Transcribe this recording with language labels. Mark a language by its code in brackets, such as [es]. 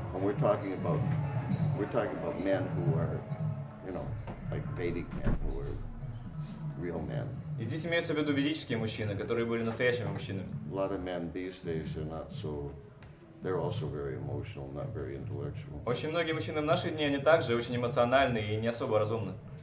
[en] And we're talking about men who are, like Vedic men who are real men. [ru] И здесь имеются в виду ведические мужчины, которые были настоящими мужчинами. [en] A lot of men these days are not so, they're also very emotional, not very intellectual. [ru] Очень многие мужчины в наши дни, они также очень эмоциональны и не особо разумны.